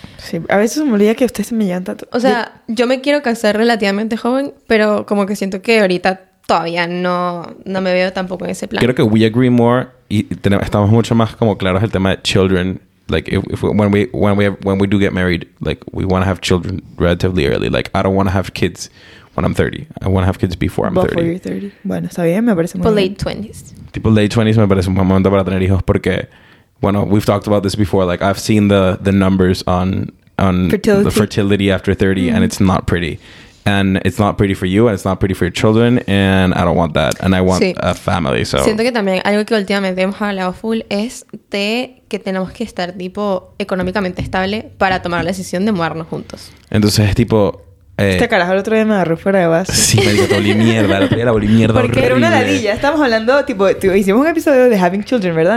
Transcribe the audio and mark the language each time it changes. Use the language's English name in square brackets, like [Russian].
[Spanish] Sí, a veces me olvida que ustedes se me llevan tanto. O sea, yo me quiero casar relativamente joven, pero como que siento que ahorita todavía no me veo tampoco en ese plan. Creo que we agree more y estamos mucho más como claros el tema de children. [English] Like when we do get married, like we want to have children relatively early. Like I don't want to have kids when I'm 30. I want to have kids before I'm 30. Before you're 30. [Spanish] Bueno, está bien, me parece muy [English] late [Spanish] bien. [English] 20s. [Spanish] Tipo late 20s me parece un buen momento para tener hijos porque bueno, we've talked about this before. [English] Like I've seen the numbers on fertility. The fertility after 30 mm-hmm. and it's not pretty. And it's not pretty for you and it's not pretty for your children and I don't want that and I want a family, so. [Spanish] Siento que también algo que últimamente hemos hablado full es de que tenemos que estar tipo económicamente estable para tomar la decisión de mudarnos juntos. Entonces es tipo este carajo el otro día me agarró fuera de base. Sí, me dijo, te volví mierda, el otro día la volví mierda porque horrible. Era una ladilla, estábamos hablando tipo, hicimos un episodio de having children, ¿verdad?